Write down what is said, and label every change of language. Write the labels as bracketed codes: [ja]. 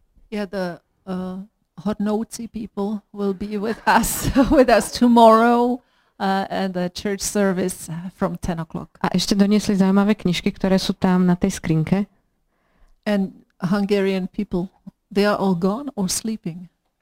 [en] Yeah, the Hodnoucí people will be with us tomorrow and the church service from 10 o'clock. [sk] A ešte doniesli zaujímavé knižky, ktoré sú tam na tej skrinke. [en] And Hungarian people, they are all gone or sleeping?